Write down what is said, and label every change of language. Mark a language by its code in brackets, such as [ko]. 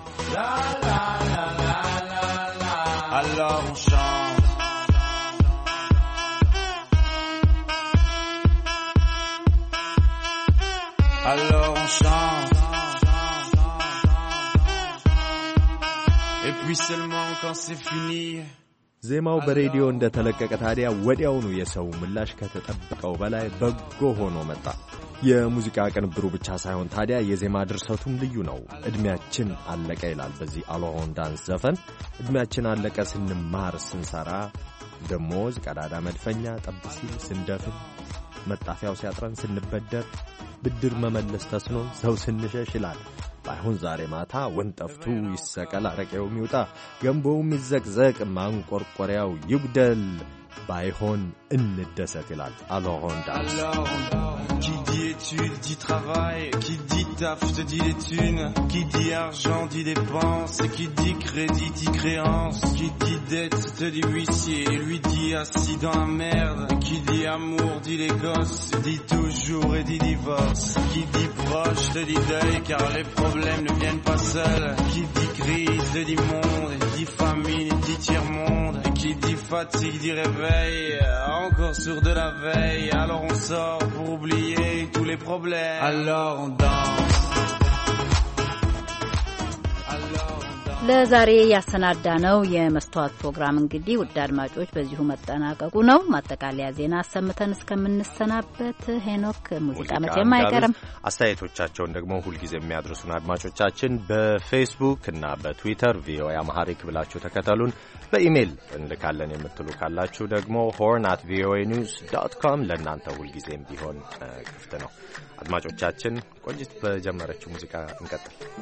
[fr] La la la la la la. Alors on chante. Alors on chante. Et puis seulement quand c'est fini. [am] ዜማው በሬዲዮ እንደተለቀቀ ታዲያ ወዲያውኑ የሰው ምላሽ ከተጠበቀው በላይ በጎ ሆኖ መጣ። የሙዚቃ ቅንብሩ ብቻ ሳይሆን ታዲያ የዜማ ድርሰቱም ልዩ ነው። እድሜያችን አለቀ ይላል በዚህ አሎን ዳንስ ዘፈን። እድሜያችን አለቀ ስንማር ስንሰራ ደሞዝ ቀዳዳ መድፈኛ ጠብሲ ስንደፍን መጣፊያው ሲያጥረን ስንበደር ብድር መመለስ ተስኖ ሰው ስንሸሽ ይላል። አሁን ዛሬ ማታ ወንጠፍቱ ይሰቀል አረቀውም ይውጣ ገምቦውም ይዘቅዘቅ ማንቆርቆሪያው ይግደል ባይሆን እንደሰት ይላል አሎን ዳንስ። [fr] Qui dit études dit travail, qui dit taf te dit les thunes, qui dit argent dit dépenses, qui dit crédit dit créance, qui dit dette te dit huissier, lui dit dit assis dans la merde. Qui dit amour dit les gosses, dit toujours et dit divorce. Qui dit proche te dit deuil, car les problèmes ne viennent pas seuls. Qui dit crise te dit monde, dit famine dit tiers monde. Qui dit fatigue dit réveil, encore sourd de la veille. Alors on sort pour oublier tous les problèmes. Alors on danse. [am] ለዛሬ ያሰናዳ ነው የመስተዋት ፕሮግራም እንግዲህ ውድ አድማጮች በዚሁ መጠናቀቁ ነው። ማጠቃለያ ዜና አሰምተን እስከምንሰናበት ሄኖክ ሙዚቃ መቼም አይቀርም። አስተያየቶቻቸውን ደግሞ ሁልጊዜ የሚያድርሱን አድማጮቻችን በፌስቡክ እና በትዊተር ቪኦኤ አማሃሪክ ብላችሁ ተከተሉን። በኢሜይል እንልካለን የምትሉ ካላችሁ ደግሞ horn@voanews.com ለእናንተ ሁልጊዜም ቢሆን ክፍት ነው። አድማጮቻችን ቆንጅት በጀመረችው ሙዚቃ እንቀጥል።